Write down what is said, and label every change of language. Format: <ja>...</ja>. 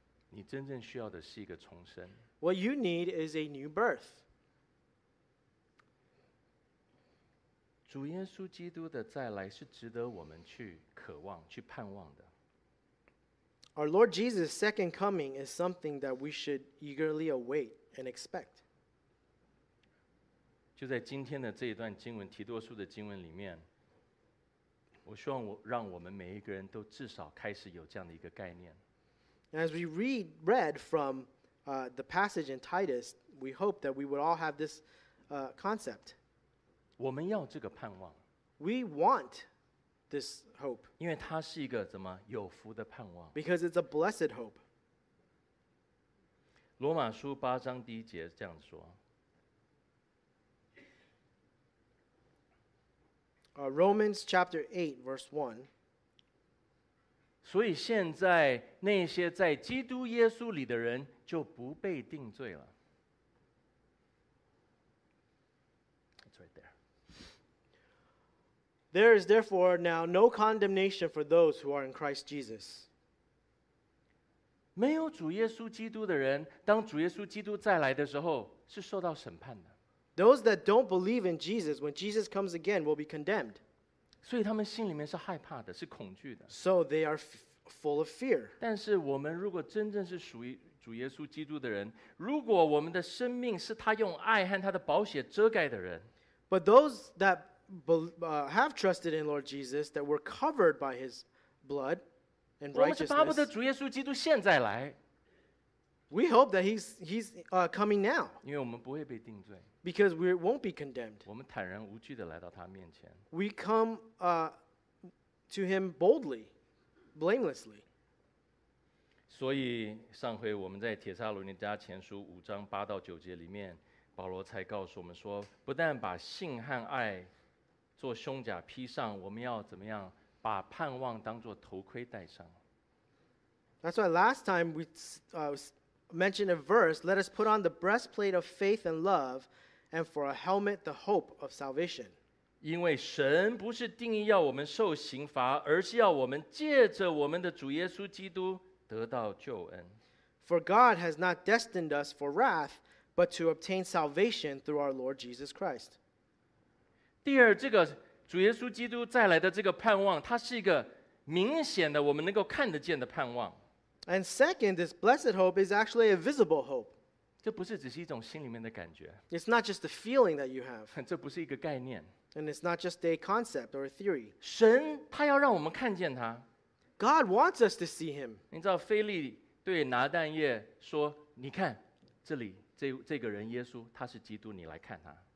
<zh>你真正需要的是一个重生。</zh> <en>What you need is a new birth.</en> <zh>主耶稣基督的再来是值得我们去渴望、去盼望的。</zh> <en>Our Lord Jesus' second coming is something that we should eagerly await and expect.</en> <zh>就在今天的这一段经文，提多书的经文里面，我希望让我们每一个人都至少开始有这样的一个概念。</zh> <en>As we read from the passage in Titus, we hope that we would all have this concept.</en> <zh>我们要这个盼望。</zh> <en>We want this hope.</en> <zh>因为它是一个怎么有福的盼望。</zh> <en>Because it's a blessed hope.</en> <zh>罗马书八章第一节这样说。</zh> <en>Romans chapter 8, verse 1.</en> <zh>所以现在那些在基督耶稣里的人就不被定罪了。</zh> <en>It's right there. There is therefore now no condemnation for those who are in Christ Jesus.</en> <zh>没有主耶稣基督的人，当主耶稣基督再来的时候，是受到审判的。</zh> <en>Those that don't believe in Jesus, when Jesus comes again, will be condemned.</en> <zh>所以他们心里面是害怕的，是恐惧的。</zh> <en>So they are full of fear.</en> <zh>但是我们如果真正是属于主耶稣基督的人，如果我们的生命是他用爱和他的宝血遮盖的人，</zh> <en>But those that have trusted in Lord Jesus, that were covered by his blood and righteousness,</en> <zh>我们是巴不得主耶稣基督现在来。</zh> <en>We hope that he's coming now.</en> <zh>因为我们不会被定罪。</zh> <en>Because we won't be condemned.</en> <zh>我们坦然无惧地来到他面前。</zh> <en>We come to him boldly, blamelessly.</en> <zh>所以上回我们在帖撒罗尼迦前书五章八到九节里面，保罗才告诉我们说，不但把信和爱做胸甲披上，我们要怎么样把盼望当作头盔戴上。</zh> <en>That's why last time we mentioned a verse, let us put on the breastplate of faith and love, and for a helmet, the hope of salvation.</en> <zh>因为神不是定义要我们受刑罚，而是要我们借着我们的主耶稣基督得到救恩。</zh> <en>For God has not destined us for wrath, but to obtain salvation through our Lord Jesus Christ.</en> <zh>第二，这个主耶稣基督再来的这个盼望，它是一个明显的我们能够看得见的盼望。</zh> <en>And second, this blessed hope is actually a visible hope.</en> <zh>这不是只是一种心里面的感觉。</zh> <en>It's not just a feeling that you have.</en> <zh>这不是一个概念。</zh> <en>And it's not just a concept or a theory.</en> <zh>神他要让我们看见他。</zh> <en>God wants us to see him.</en> <zh>你知道腓力对拿但业说，你看这里 这个人耶稣他是基督，你来看他。</zh>